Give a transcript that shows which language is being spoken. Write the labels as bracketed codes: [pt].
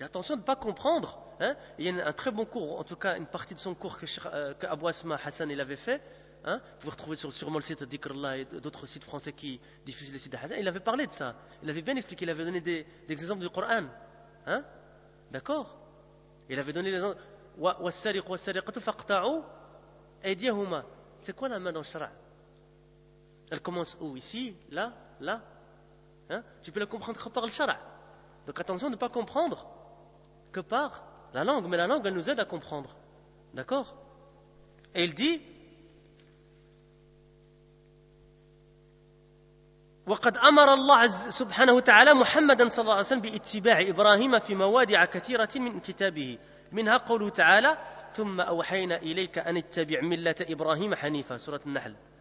[fr] Et attention de ne pas comprendre. Hein? Il y a un très bon cours, en tout cas une partie de son cours que Abou Asma Hassan il avait fait. Hein? Vous pouvez retrouver sûrement le site d'Ikrullah et d'autres sites français qui diffusent les sites d'Hassan. Il avait parlé de ça. Il avait bien expliqué, il avait donné des exemples du Coran. Hein? D'accord ? Il avait donné les exemples. [ar] والسارق والسارقة فاقطعوا أيديهما. [fr] C'est quoi la main dans le shara? Elle commence où? Ici? Là? Là? Hein? Tu peux la comprendre que par le shara. Donc attention de ne pas comprendre que par la langue. Mais la langue, elle nous aide à comprendre. D'accord? Et il dit [ar] وقد أمر الله سبحانه وتعالى محمدا صلى الله عليه وسلم باتباع إبراهيم في مواضع كثيرة من كتابه منها قوله تعالى ثم أوحينا إليك أن اتبع ملة إبراهيم حنيفا سورة النحل.